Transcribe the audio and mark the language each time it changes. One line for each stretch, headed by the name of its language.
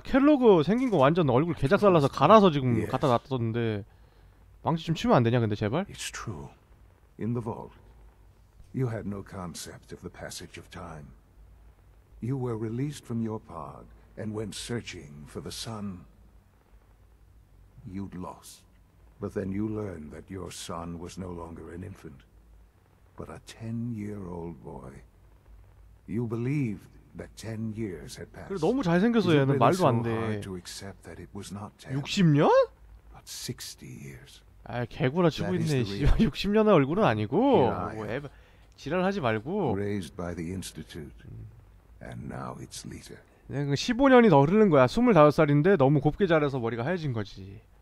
Korean: 켈로그 생긴 거 완전 얼굴 개작살라서 갈아서 지금 갖다 놨던데. 망치 좀 치면 안 되냐, 근데 제발?
English: It's true. In the vault, you had no concept of the passage of time. You were released from your pod and went searching for the sun you'd lost. But then you learn that your son was no longer an infant, but a 10-year-old boy. You believed that 10 years had passed.
Korean: 그래, 너무 잘생겨서 얘는 말도 안 돼. 60년?
English: But 60 years.
Korean: 아, 개구라 치고 있네. 60년의 얼굴은 아니고. 뭐 지랄하지 말고.
English: Raised by the Institute, and now its leader.
Korean: 15년이 더 흐르는 거야. 25살인데 너무 곱게 자라서 머리가 하얘진 거지.